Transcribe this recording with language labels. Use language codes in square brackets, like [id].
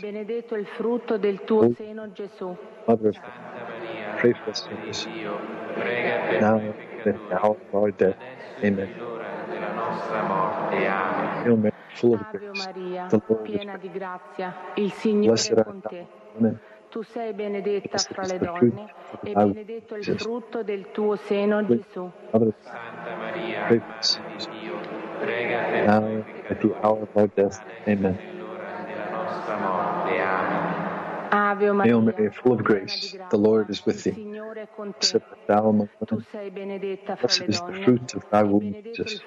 [en] Holy Mother of God, pray for us sinners, now and at the hour of our death. Amen. Hail Mary, full of grace, the Lord is with thee. Blessed art thou among women, [it] tu sei benedetta fra le donne e benedetto il frutto del tuo seno, Gesù. Santa Maria, Madre di Dio, prega per noi peccatori, adesso e nell'ora della nostra morte. Amen. Ave o Maria, [en] Hail Mary, full of grace, the Lord is with thee. Blessed art thou among women, blessed is the fruit of thy womb, Jesus.